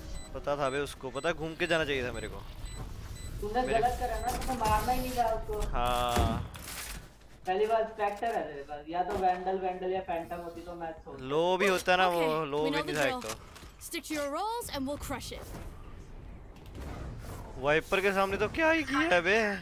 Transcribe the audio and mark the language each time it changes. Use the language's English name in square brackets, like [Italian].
[Hindi] पता था भाई उसको, पता घूम के जाना चाहिए था मेरे को. तूने गलत करा ना, तो मारना ही नहीं था उसको. हाँ. पहली बार स्पेक्टर है तेरे पास, या तो वैंडल वैंडल या फैंटम होती तो मैच होता. लो भी होता ना वो, लो भी नहीं था एक तो. [English] Stick to your roles and we'll crush it. [Hindi] Wiper के सामने तो क्या ही किया है बे.